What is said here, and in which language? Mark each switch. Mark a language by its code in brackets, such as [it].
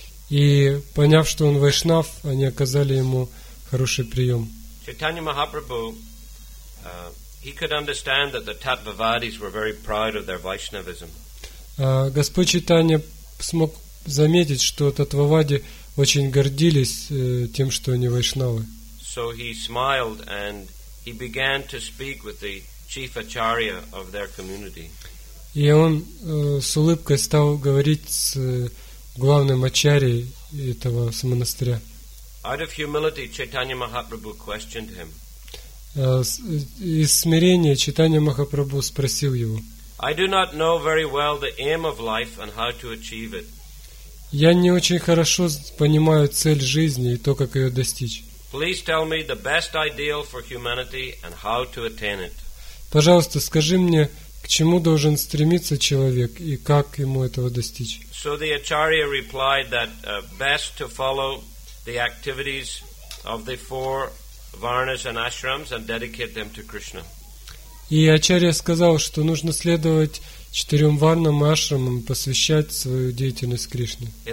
[ru] И поняв, что он вайшнав, они оказали ему хороший прием. [en] Чайтанья Махапрабху, he could understand that the Таттвавадис were very proud of their вайшнавизм. [ru] Господь Чайтанья смог заметить, что таттвавади очень гордились тем, что они вайшнавы. [en] So he smiled and he began to speak with the chief acharya of their community. [ru] И он с улыбкой стал говорить с главным ачарьей этого монастыря. [en] Out of humility, Chaitanya Mahaprabhu questioned him. [ru] Из смирения Чайтанья Махапрабху спросил его. [en] I do not know very well the aim of life and how to achieve it. [ru] Я не очень хорошо понимаю цель жизни и то, как ее достичь. [en] Please tell me the best ideal for humanity and how to attain it. [ru] Пожалуйста, скажи мне, к чему должен стремиться человек и как ему этого достичь. [en] So the acharya replied that best to follow the activities of the four varnas and ashrams and dedicate them to Krishna. [ru] И ачарья сказал, что нужно следовать четырем варнам и ашрамам, посвящать свою деятельность Кришне.